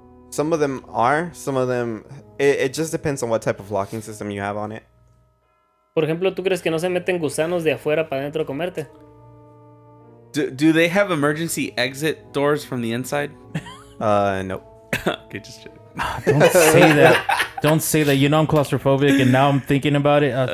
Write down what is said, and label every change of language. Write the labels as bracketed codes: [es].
[en] Some of them are, some of them it just depends on what type of locking system you have on it. [es] Por ejemplo, ¿tú crees que no se meten gusanos de afuera para adentro a comerte? [en] Do they have emergency exit doors from the inside? No. Okay, just check. Don't say that. Don't say that. You know I'm claustrophobic and now I'm thinking about it.